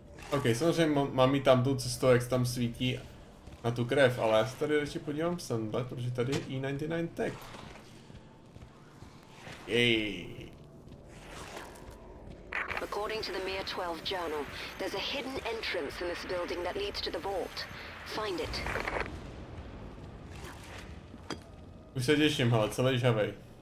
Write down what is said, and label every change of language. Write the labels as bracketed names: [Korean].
[Czech] Ok, samozřejmě mám jít tam tu cestu, jak tam svítí na tu krev, ale já se tady radši podívám sem, protože tady je E99 Tech. Jej. [English] According to the Mir 12 journal, there's a hidden entrance in this building that leads to the vault. Find it. [Czech] Už se těším, hele, celý žavej.